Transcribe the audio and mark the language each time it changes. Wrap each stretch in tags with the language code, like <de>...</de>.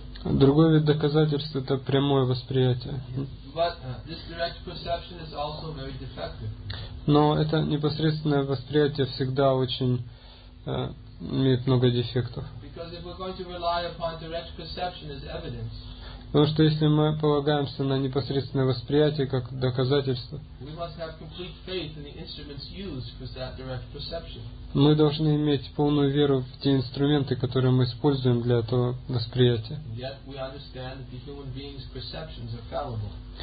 <ru>Другой вид доказательств – это прямое восприятие.</ru> <en>But, this direct perception is also very defective.</en> <ru>Но это непосредственное восприятие всегда очень имеет много дефектов.</ru> <en>Because if we're going to rely upon direct perception as evidence,</en> <ru>потому что если мы полагаемся на непосредственное восприятие как доказательство,</ru> <en>we must have complete faith in the instruments used for that direct perception.</en> <ru>Мы должны иметь полную веру в те инструменты, которые мы используем для этого восприятия.</ru> <en>Yet we understand that the human being's perceptions are fallible.</en>